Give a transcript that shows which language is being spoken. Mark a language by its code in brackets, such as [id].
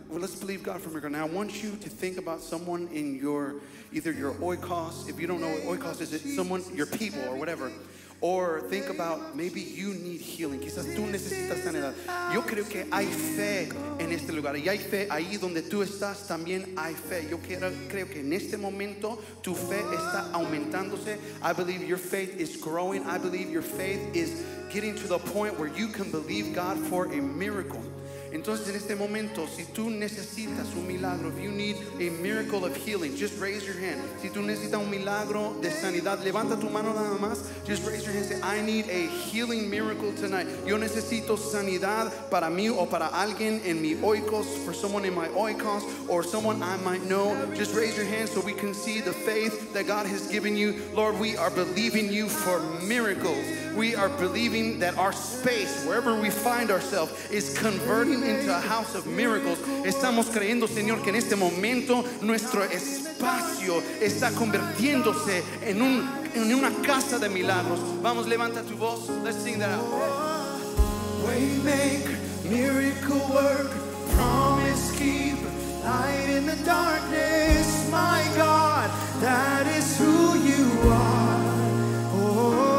[en] Well, let's believe God for miracle. Now, I want you to think about someone in your, either your oikos, if you don't know what oikos is, it someone, your people or whatever. Or think about maybe you need healing. [es] Quizás tú necesitas sanidad. Yo creo que hay fe en este lugar. Y hay fe ahí donde tú estás, también hay fe. Yo creo que en este momento tu fe está aumentándose. [en] I believe your faith is growing. I believe your faith is getting to the point where you can believe God for a miracle. [es] Entonces en este momento, si tú necesitas un milagro, [en] if you need a miracle of healing, just raise your hand. [es] Si tú necesitas un milagro de sanidad, levanta tu mano nada más. [en] Just raise your hand. Say, I need a healing miracle tonight. [es] Yo necesito sanidad para mí o para alguien en mi oikos, [en] for someone in my oikos, or someone I might know. Just raise your hand so we can see the faith that God has given you. Lord, we are believing you for miracles. We are believing that our space, wherever we find ourselves, is converting into a house of miracles. [es] Estamos creyendo, Señor, que en este momento nuestro espacio está convirtiéndose en un en una casa de milagros. Vamos, levanta tu voz. [en] Let's sing that out. Waymaker, miracle worker, promise keeper, light in the darkness, my God, that is who you are.